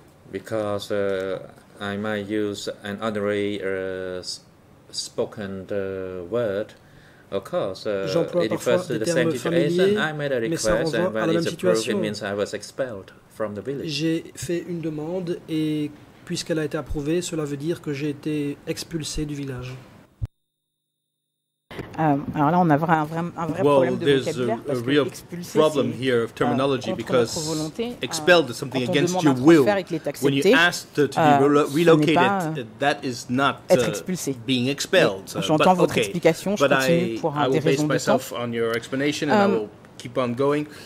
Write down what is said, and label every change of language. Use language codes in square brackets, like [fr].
[en] Because I might use an ordinary spoken word, of course, it refers to the same situation. I made a request and when it's approved, it means I was expelled from the village. [fr] J'ai fait une demande et puisqu'elle a été approuvée, cela veut dire que j'ai été expulsé du village. Alors là, on a un vrai problème de vocabulaire parce que expulsé, c'est contre notre volonté. [en] Expelled is something against your will. When you ask to be relocated, that is not being expelled. [fr] J'entends votre explication. Je continue pour des raisons de temps. [en] I will base myself on your explanation and I will keep on going.